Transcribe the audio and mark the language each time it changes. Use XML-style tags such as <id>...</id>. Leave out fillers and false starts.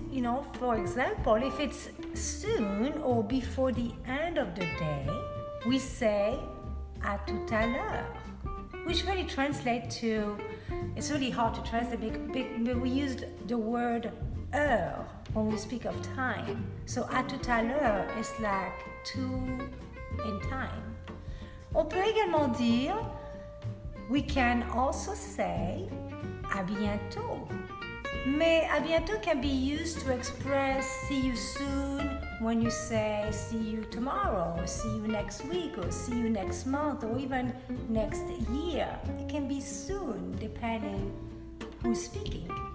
<en>You know, for example, if it's soon or before the end of the day, we say</en> <fr>à tout à l'heure,</fr> <en>which really translates to, it's really hard to translate, but we used the word heure when we speak of time. So</en> <fr>à tout à l'heure</fr> <en>is like two in time.</en> <fr>On peut également dire,</fr> <en>we can also say à bientôt. Mais</en> <fr>à bientôt</fr> <en>can be used to express see you soon when you say see you tomorrow, or see you next week, or see you next month, or even next year. It can be soon depending who's speaking.</en>